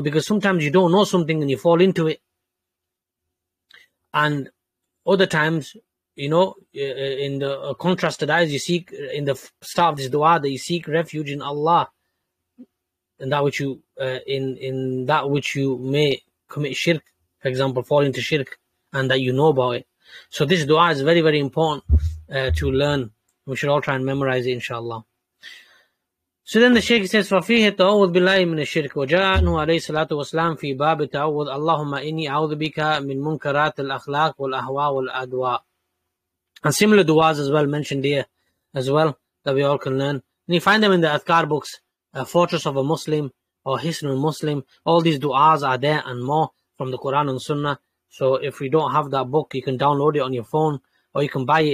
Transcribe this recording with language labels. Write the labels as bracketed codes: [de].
[en] Because sometimes you don't know something and you fall into it. And other times, you know, in the contrast to that is, you seek, in the start of this dua, that you seek refuge in Allah, and that which you in that which you may commit shirk, for example, fall into shirk, and that you know about it. So this dua is very, very important to learn. We should all try and memorize it, inshallah. So then the Shaykh says, [ar] فَفِيهِ تَعُوذ بِاللَّهِ مِنَ الشِّرْكِ وَجَاءَنُهُ عَلَيْهِ الصَّلَاةُ وَالسَّلَامُ فِي بَابِ تَعُوذ اللَّهُمَّ إِنِّي أَعُوذُ بِكَ مِنْ مُنْكَرَاتِ الْأَخْلَاقِ وَالْأَهْوَى وَالْأَدْوَى. [en] And similar duas as well mentioned here as well, that we all can learn. And you find them in the Adhkar books, A Fortress of a Muslim or Hisn al Muslim. All these duas are there and more from the Quran and Sunnah. So if you don't have that book, you can download it on your phone or you can buy it.